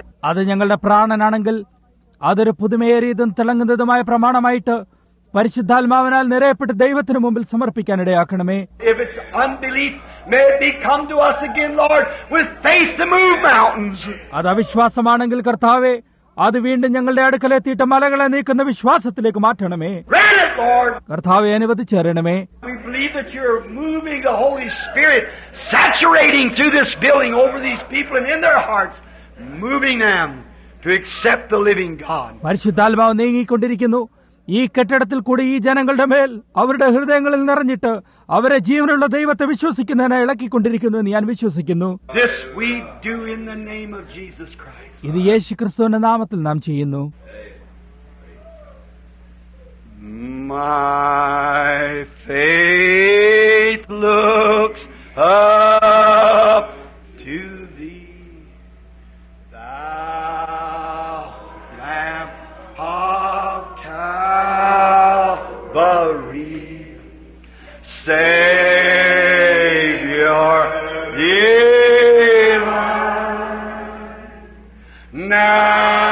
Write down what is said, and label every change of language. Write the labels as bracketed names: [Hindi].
[Malayalam] അത് ഞങ്ങളുടെ പ്രാണനാണെങ്കിൽ അതൊരു പുതുമയേറിയതും തിളങ്ങുന്നതുമായ പ്രമാണമായിട്ട് പരിശുദ്ധാത്മാവിനാൽ നിറയപ്പെട്ട് ദൈവത്തിന് മുമ്പിൽ സമർപ്പിക്കാനിടയാക്കണമേ. [English] If it's unbelief, may it come to us again, Lord, with faith to move mountains. [Malayalam] അത് അവിശ്വാസമാണെങ്കിൽ കർത്താവേ, അത് വീണ്ടും ഞങ്ങളുടെ അടുക്കലെത്തിയിട്ട് മലകളെ നീക്കുന്ന വിശ്വാസത്തിലേക്ക് മാറ്റണമേ. [English] Grant it, Lord. [Malayalam] കർത്താവേ, അനുവദിച്ചേരണമേ. [English] We believe that you're moving the Holy Spirit, saturating through this building, over these people and in their hearts, moving them to accept the living God. [Malayalam] പരിശുദ്ധാത്മാവ് നീങ്ങിക്കൊണ്ടിരിക്കുന്നു ഈ കെട്ടിടത്തിൽ കൂടി ഈ ജനങ്ങളുടെ മേൽ അവരുടെ ഹൃദയങ്ങളിൽ നിറഞ്ഞിട്ട് അവരെ ജീവനുള്ള ദൈവത്തെ വിശ്വസിക്കുന്നതിനെ ഇളക്കിക്കൊണ്ടിരിക്കുന്നു എന്ന് ഞാൻ വിശ്വസിക്കുന്നു. [English] This we do in the name of Jesus Christ. [Malayalam] ഇത് യേശു ക്രിസ്തുവിന്റെ നാമത്തിൽ നാം ചെയ്യുന്നു. [English] My faith looks up to thee, thou Lamb of Calvary, Savior divine.